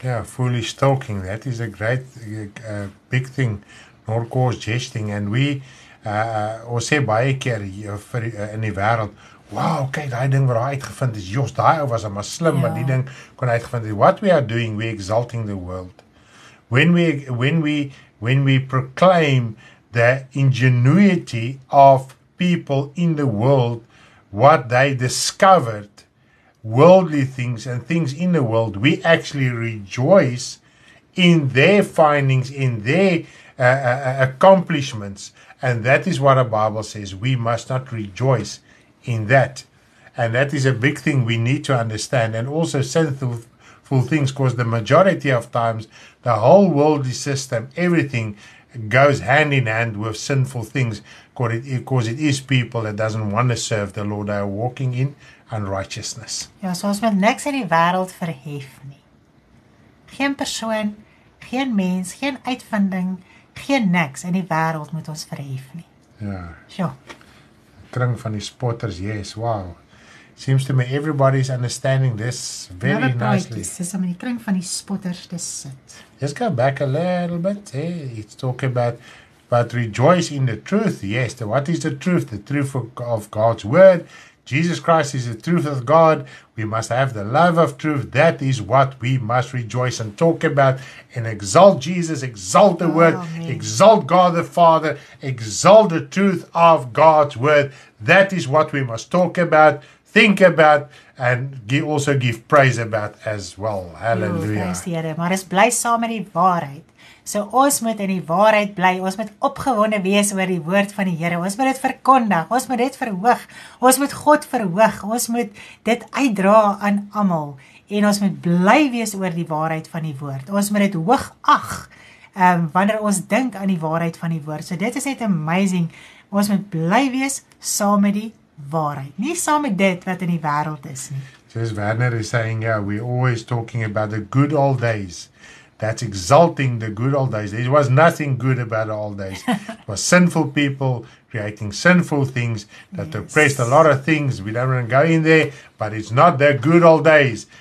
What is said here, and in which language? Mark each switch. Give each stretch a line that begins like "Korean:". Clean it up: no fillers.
English: Ja, foolish talking, that is a great big thing. Nor coarse jesting, and we
Afrikaans: ons sê baie keer in die wêreld, "Wow, kyk, daai ding wat hy uitgevind het, Jos, daai ou was maar slim, maar die ding kon hy uitgevind het."
English: What we are doing, we exalting the world. When we proclaim the ingenuity of people in the world, what they discovered, worldly things and things in the world, we actually rejoice in their findings, in their accomplishments. And that is what the Bible says, we must not rejoice in that. And that is a big thing we need to understand. And also sinful things, because the majority of times, the whole worldly system, everything goes hand in hand with sinful things, because it is people that doesn't want to serve the Lord. They are walking in unrighteousness.
Afrikaans: Ja, so ons moet niks in die wêreld verhef nie. Geen persoon, geen mens, geen uitvinding, geen niks in die wêreld moet ons verhef nie. Ja. So. Kring van die spotters, yes, wow.
English: Seems to me everybody's understanding this very nicely.
Afrikaans: Kring van die spotters, dis sit.
English: Let's go back a little bit. Hey, it's talking about rejoice in the truth. Yes, what is the truth? The truth of God's word. Jesus Christ is the truth of God. We must have the love of truth. That is what we must rejoice and talk about. And exalt Jesus, exalt the word, exalt God the Father, exalt the truth of God's word. That is what we must talk about, think about, and also give praise about as well. Hallelujah.
Afrikaans: Praise die Here. Maar is bly saam met die waarheid. So ons moet in die waarheid bly. Ons moet opgewonde wees oor die woord van die Here. Ons moet dit verkondig. Ons moet dit verhoog. Ons moet God verhoog. Ons moet dit uitdra aan almal. En ons moet bly wees oor die waarheid van die woord. Ons moet dit hoog ag. Wanneer ons dink aan die waarheid van die woord. So dit is net amazing. Ons moet bly wees saam met die waarheid. Nie saam met dit wat in die wêreld is nie.
English: Says Werner is saying, yeah, we're always talking about the good old days. That's exalting the good old days. There was nothing good about the old days. It was sinful people creating sinful things that yes. oppressed a lot of things. We don't want to go in there, but it's not the good old days.